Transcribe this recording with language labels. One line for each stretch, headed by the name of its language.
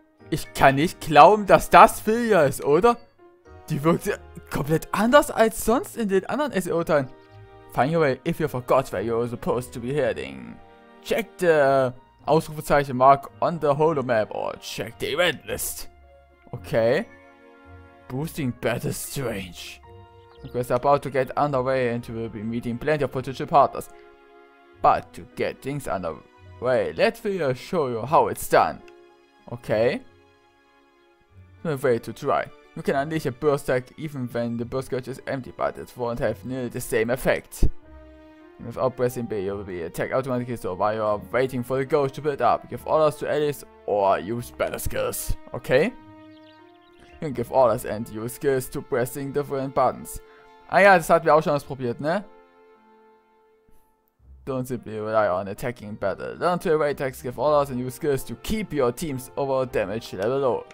German: Ich kann nicht glauben, dass das Filia ist, oder? Die wirkt komplett anders als sonst in den anderen SEO-Teilen.
English: Find your way if you forgot where you're supposed to be heading. Check the Ausrufezeichen Mark on the holomap or check the event list. Okay. Boosting Battle Strange. We're about to get underway and we'll be meeting plenty of potential partners. But to get things underway, let me show you how it's done. Okay. No way to try. You can unleash a burst attack even when the burst gauge is empty, but it won't have nearly the same effect. Without pressing B, you will be attacked automatically, so while you are waiting for the gauge to build up, give orders to allies or use better skills. Okay? You can give orders and use skills to pressing different buttons.
German: Ah ja, das hatten wir auch schon ausprobiert, ne?
English: Don't simply rely on attacking battle. Learn to evade attacks, give orders and use skills to keep your team's overall damage level low.